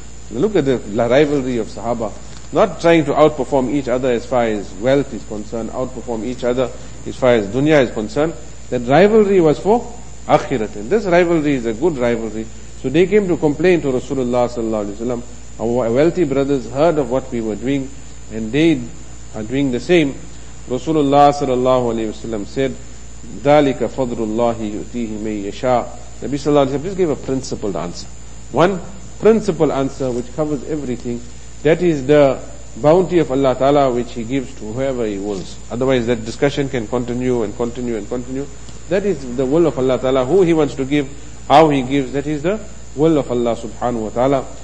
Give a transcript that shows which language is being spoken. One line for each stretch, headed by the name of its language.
English: Look at the rivalry of Sahaba, not trying to outperform each other as far as wealth is concerned, outperform each other as far as dunya is concerned. That rivalry was for akhirat, and this rivalry is a good rivalry. So they came to complain to Rasulullah sallallahu alaihi wasallam, our wealthy brothers heard of what we were doing and they are doing the same. Rasulullah sallallahu alaihi wasallam said,
Arabic: ذَلِكَ فَضْرُ اللَّهِ يُؤْتِيهِ مَنْ يَشَاءُ.
English: Nabi sallallahu alaihi wasallam just gave a principled answer. One principal answer which covers everything, that is the bounty of Allah Ta'ala which He gives to whoever He wills. Otherwise that discussion can continue and continue and continue. That is the will of Allah Ta'ala, who He wants to give, how He gives, that is the will of Allah Subhanahu Wa Ta'ala.